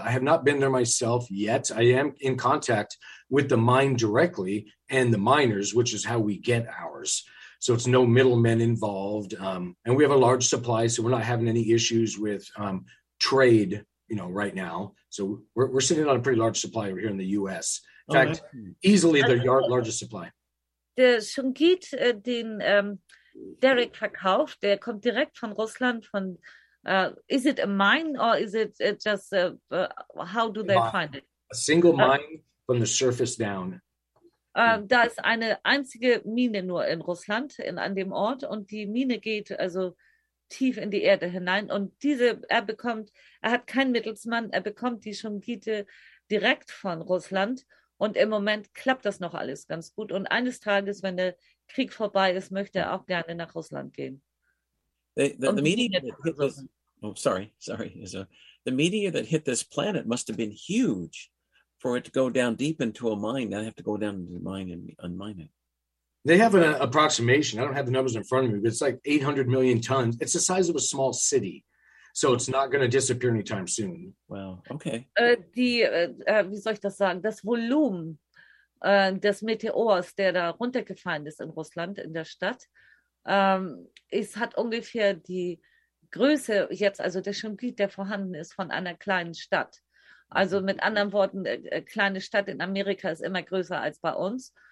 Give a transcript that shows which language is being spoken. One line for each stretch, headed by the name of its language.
English: I have not been there myself yet. I am in contact with the mine directly and the miners, which is how we get ours. So it's no middlemen involved, and we have a large supply, so we're not having any issues with trade. Right now, so we're sitting on a pretty large supply over here in the U.S. In fact, easily the largest supply.
German: Der Shungite, den Derek verkauft, der kommt direkt von Russland.
English: Is it a mine or is it just how do they find it? A single mine from the surface down.
German: Da ist eine einzige Mine nur in Russland, an dem Ort. Und die Mine geht also tief in die Erde hinein. Und er hat keinen Mittelsmann, er bekommt die Shungite direkt von Russland. Und im Moment klappt das noch alles ganz gut. Und eines Tages, wenn der Krieg vorbei ist, möchte er auch gerne nach Russland gehen.
English: The media that hit this, the media that hit this planet must have been huge for it to go down deep into a mine. I have to go down into the mine and unmine it. They have an approximation. I don't have the numbers in front of me, but it's like 800 million tons. It's the size of a small city. So it's not going to disappear anytime soon. Wow. Okay.
German: Wie soll ich das sagen? Das Volumen des Meteors, der da runtergefallen ist in Russland, in der Stadt, es hat ungefähr die Größe jetzt, also der Shungite, der vorhanden ist, von einer kleinen Stadt. Also mit anderen Worten, kleine Stadt in Amerika ist immer größer als bei uns.